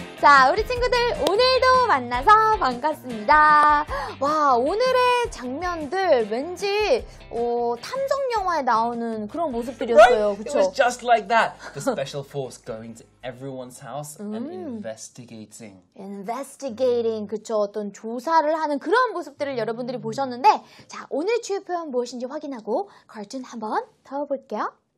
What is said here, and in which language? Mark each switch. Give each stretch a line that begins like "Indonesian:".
Korean: 자, 우리 친구들 오늘도 만나서 반갑습니다. 와, 오늘의 장면들 왠지 탐정 영화에 나오는 그런 모습들이었어요.
English: Right?
Korean: 그렇죠?
English: It was just like that. The special force going to everyone's house and investigating. Investigating,
Korean: 그렇죠? 어떤 조사를 하는 그런 모습들을 여러분들이 보셨는데 자, 오늘 주요 표현 무엇인지 확인하고 cartoon 한번 더 볼게요.